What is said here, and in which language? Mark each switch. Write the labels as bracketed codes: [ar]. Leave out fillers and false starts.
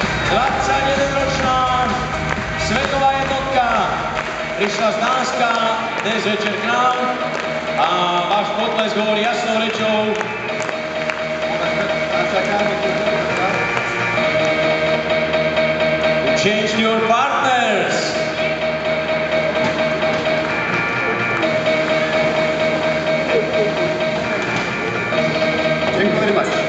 [sk] Grazie, 21-ročná svetová jednotka prišla z Dánska dnes večer k nám. A váš potles hovorí jasnou rečou. [en] You changed your partners. Thank you very much.